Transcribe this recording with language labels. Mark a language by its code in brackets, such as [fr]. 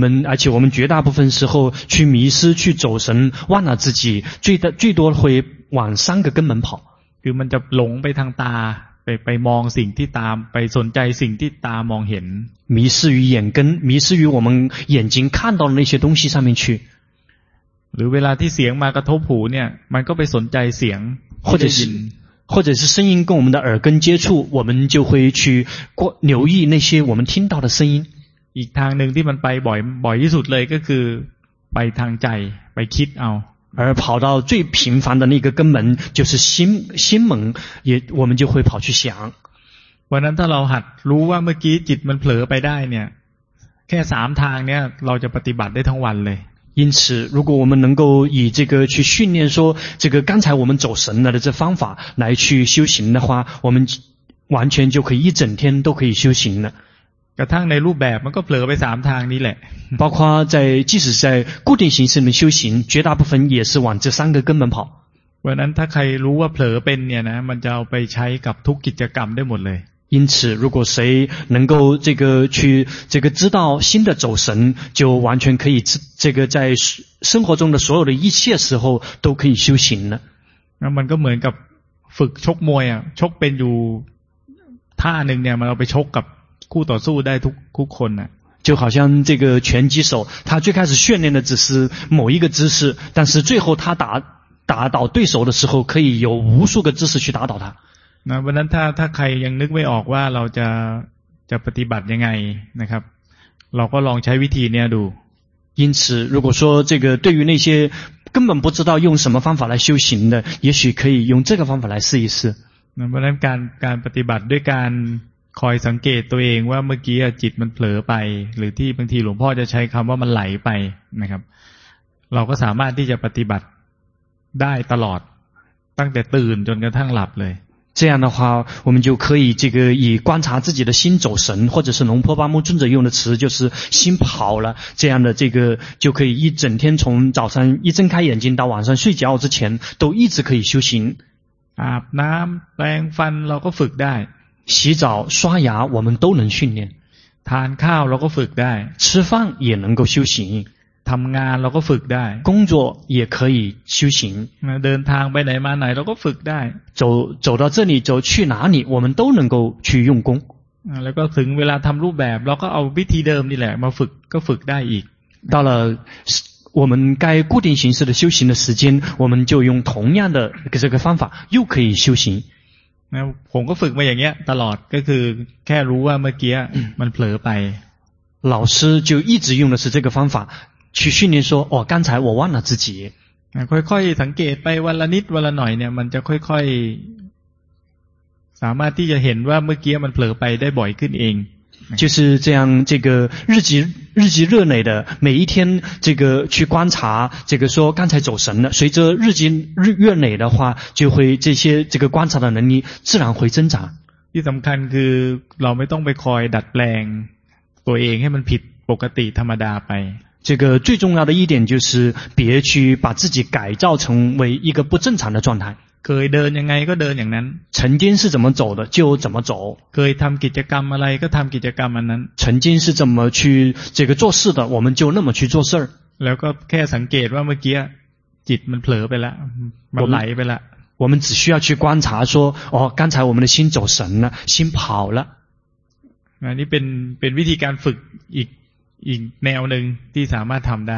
[zh] 而且我们绝大部分时候去迷失去走神忘了自己最多会往三个根本跑 [th] คือมันจะหลงไปทางตาไปมองสิ่งที่ตามไปสนใจสิ่งที่ตามองเห็น [zh] 迷失于眼根迷失于我们眼睛看到的那些东西上面去 [th] หรือเวลาที่เสียงมากระทบหูเนี่ยมันก็ไปสนใจเสียง [zh] 或者是声音跟我们的耳根接触我们就会去留意那些我们听到的声音 [th] อีกทางนึงที่มันไปบ่อยที่สุดเลยก็คือไปทางใจไปคิดเอา [zh] 而跑到最频繁的那个根本就是心门也我们就会跑去想 [th] วันนั้นถ้าเราหัดรู้ว่าเมื่อกี้จิตมันเผลอไปได้เนี่ยแค่สามทางเนี่ยเราจะปฏิบัติได้ทั้งวันเลย [zh] 因此如果我们能够以这个去训练说这个刚才我们走神了的这方法来去修行的话我们完全就可以一整天都可以修行了 [th] กระทั่งในรูปแบบมันก็เผลอไปสามทางนี้แหละ [zh] 包括在即使在固定形式里面修行绝大部分也是往这三个根本跑 [th] วันนั้นถ้าใครรู้ว่าเผลอเป็นเนี่ยนะมันจะเอาไปใช้กับทุกกิจกรรมได้หมดเลย [zh] 因此如果谁能够这个去这个知道心的走神就完全可以这个在生活中的所有的一切时候都可以修行了 [th] มันก็เหมือนกับฝึกชกมวยอ่ะชกเป็นอยู่ท่าหนึ่งเนี่ยมันเอาไปชกกับคู่ต่อสู้ได้ทุกคนน่ะ [zh] 就好像这个拳击手他最开始训练的只是某一个姿势但是最后他打倒对手的时候可以有无数个姿势去打倒他 [th] นะวันนั้นถ้าใครยังนึกไม่ออกว่าเราจะปฏิบัติยังไงนะครับเราก็ลองใช้วิธีเนี้ยดู [zh] 因此如果说这个对于那些根本不知道用什么方法来修行的也许可以用这个方法来试一试 [th] นะวันนั้นการปฏิบัติด้วยการคอยสังเกตตัวเองว่าเมื่อกี้จิตมันเผลอไปหรือที่บางทีหลวงพ่อจะใช้คำว่ามันไหลไปนะครับเราก็สามารถที่จะปฏิบัติได้ตลอดตั้งแต่ตื่นจนกระทั่งหลับเลย [zh] 这样的话我们就可以这个以观察自己的心走神或者是龙婆巴木尊者用的词就是心跑了这样的这个就可以一整天从早上一睁开眼睛到晚上睡觉之前都一直可以修行 [th] อาบน้ำแปรงฟันเราก็ฝึกได้ [zh] 洗澡刷牙我们都能训练 [th] ทานข้าวเราก็ฝึกได้ [zh] 吃饭也能够修行 [th] ทำงานเราก็ฝึกได้ [zh] 工作也可以修行 [th] เดินทางไปไหนมาไหนเราก็ฝึกได้ [zh] 走到这里走去哪里我们都能够去用功 [th] แล้วก็ถึงเวลาทำรูปแบบเราก็เอาวิธีเดิมนี่แหละมาฝึกก็ฝึกได้อีก [zh] 到了我们该固定形式的修行的时间我们就用同样的这个方法又可以修行 [th] ผมก็ฝึกมาอย่างเงี้ยตลอดก็คือแค่รู้ว่าเมื่อกี้มันเผลอไป [zh] 老师就一直用的是这个方法去训练说哦刚才我忘了自己 [th] ค่อยๆสังเกตไปวันละนิดวันละหน่อยเนี่ยมันจะค่อยๆสามารถที่จะเห็นว่าเมื่อกี้มันเผลอไปได้บ่อยขึ้นเอง [zh] 就是这样这个日积热累的每一天这个去观察这个说刚才走神了随着日积月累的话就会这些这个观察的能力自然会增长 [th] ที่สำคัญคือเราไม่ต้องไปคอยดัดแปลงตัวเองให้มันผิดปกติธรรมดาไป [zh] 这个最重要的一点就是别去把自己改造成为一个不正常的状态。 [th] เคยเดินยังไงก็เดินอย่างนั้น。 [zh] 曾经是怎么走的就怎么走。 [th] เคยทำกิจกรรมอะไรก็ทำกิจกรรมอันนั้น。 [zh] 曾经是怎么去这个做事的我们就那么去做事。 [th] แล้วก็แค่สังเกตว่าเมื่อกี้จิตมันเผลอไปแล้วมันไหลไปแล้ว。 [zh] 我们只需要去观察说哦刚才我们的心走神了心跑了。 [th] 那เป็นวิธีการฝึกอีกแนวหนึ่งที่สามารถทำได